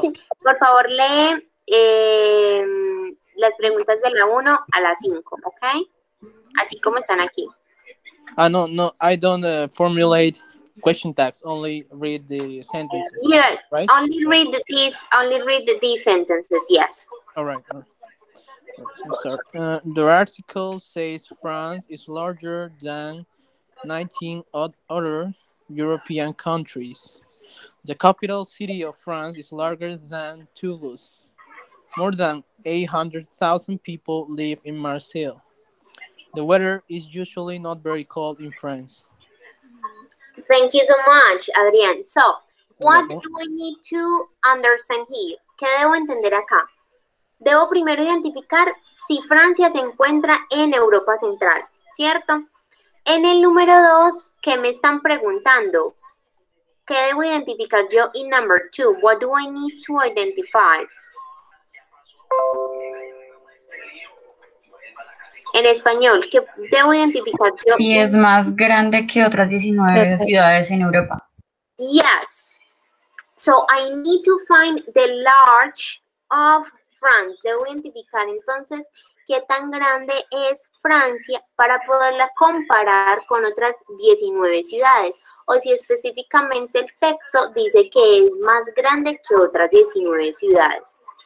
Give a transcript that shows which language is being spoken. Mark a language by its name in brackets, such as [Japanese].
[Spanish] Por favor, lee las preguntas de la 1 a la 5, okay? Así como están aquí. [English] No, I don't formulate question tags, only read the sentences. Yes, right? only read these sentences, yes. All right. I'm sorry. The article says France is larger than 19 other European countries. The capital city of France is larger than Toulouse. More than 800,000 people live in Marseille. The weather is usually not very cold in France. Thank you so much, Adrián. So, what do I need to understand here? [Spanish] ¿Qué debo entender acá? Debo primero identificar si Francia se encuentra en Europa Central, ¿cierto? En el número 2, ¿qué me están preguntando? ¿Qué debo identificar yo? [English] In number 2, what do I need to identify? [Spanish] En español, ¿qué debo identificar yo? Si es más grande que otras 19 ciudades en Europa. [English] Yes. So, I need to find the large of France. [Spanish] Debo identificar entonces qué tan grande es Francia para poderla comparar con otras 19 ciudades. O si específicamente el texto dice que es más grande que otras 19 ciudades.